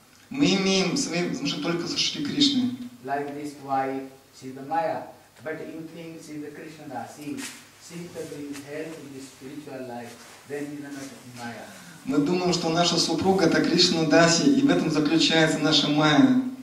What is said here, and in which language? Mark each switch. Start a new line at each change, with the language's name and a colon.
Russian: Мы имеем свои отношения только со Шри Кришной.
English: Like this, why she is the Maya, but you think she is the Krishna. See, she brings health in the spiritual life, then you are not Maya.
Russian: Мы думаем, что наша супруга это Кришна Даси, и в этом заключается наша Майя.